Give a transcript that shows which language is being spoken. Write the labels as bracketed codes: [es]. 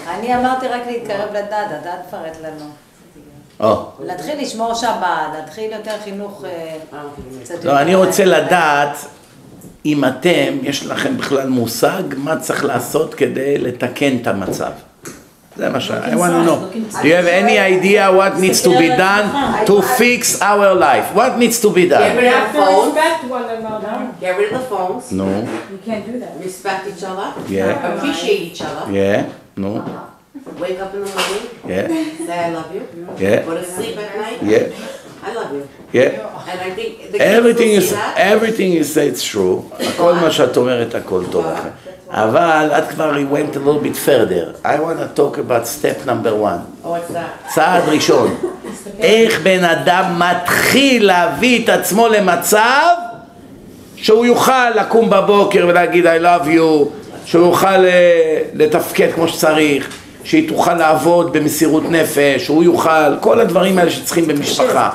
[he] אני אמרתי רק להתקרב לדת, הדת פרט לנו. להתחיל לשמור שבת, להתחיל יותר חינוך קצת יותר. לא, אני רוצה לדעת אם אתם, יש לכם בכלל מושג מה צריך לעשות כדי לתקן את המצב. זה מה ש... [en] I want to know. Do you have any idea what needs to be done to fix our life? What needs to be done? Get rid of the phones. Respect one another. Get rid of the phones. No. You can't do that. Respect each other. Yeah. Appreciate each other. Yeah. No. Wake up in the morning, yeah. Say I love you, yeah. Go to sleep at night, yeah. I love you. Yeah. And I think the everything is everything you say it's true. [he] הכל מה שאת אומרת הכל טוב לכם. אבל את כבר [en] went a little bit further. I want to talk about step number one. What's that? [he] צעד ראשון. איך בן אדם מתחיל להביא את עצמו למצב שהוא יוכל לקום בבוקר ולהגיד [en] I love you, [he] שהוא יוכל לתפקד כמו שצריך, שהיא תוכל לעבוד במסירות נפש, הוא יוכל, כל הדברים האלה שצריכים במשפחה.